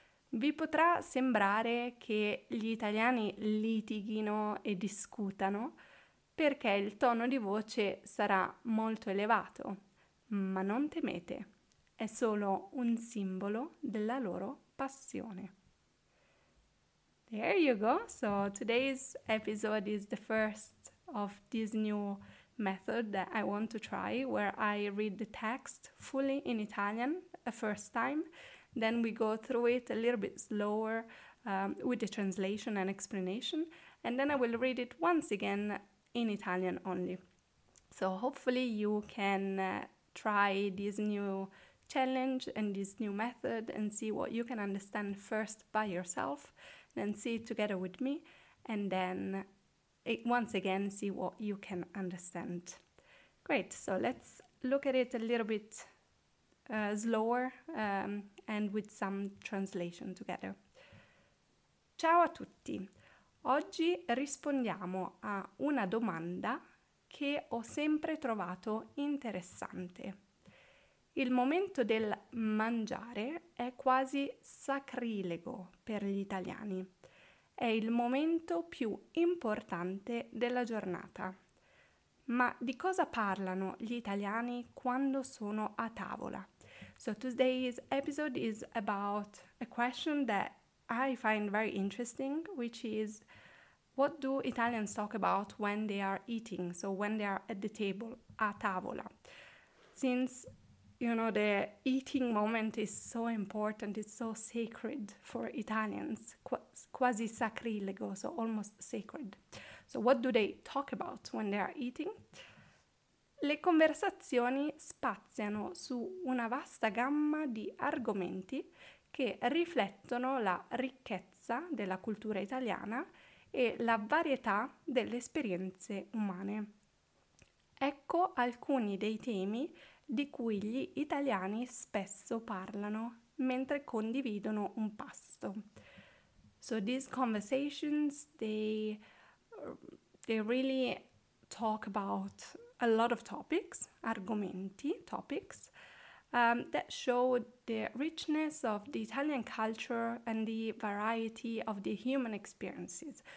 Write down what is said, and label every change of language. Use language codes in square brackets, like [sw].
[it] Vi potrà sembrare che gli italiani litighino e discutano perché il tono di voce sarà molto elevato, ma non temete, è solo un simbolo della loro passione. [en] There you go. So today's episode is the first of this new method that I want to try, where I read the text fully in Italian a first time. Then we go through it a little bit slower with the translation and explanation. And then I will read it once again in Italian only. So hopefully you can try this new challenge and this new method and see what you can understand first by yourself, then see it together with me, and then once again see what you can understand. Great, so let's look at it a little bit slower and with some translation together. [it] Ciao a tutti, oggi rispondiamo a una domanda che ho sempre trovato interessante. Il momento del mangiare è quasi sacrilego per gli italiani. È il momento più importante della giornata. Ma di cosa parlano gli italiani quando sono a tavola? [en] So today's episode is about a question that I find very interesting, which is, what do Italians talk about when they are eating? So when they are at the table, [it] a tavola. [en] Since, you know, the eating moment is so important, it's so sacred for Italians, [it] quasi sacrilego, [en] so almost sacred. So what do they talk about when they are eating? [it] Le conversazioni spaziano su una vasta gamma di argomenti che riflettono la ricchezza della cultura italiana e la varietà delle esperienze umane. Ecco alcuni dei temi di cui gli italiani spesso parlano mentre condividono un pasto. [en] So these conversations, they really talk about a lot of topics, argomenti, topics, that show the richness of the Italian culture and the variety of the human experiences.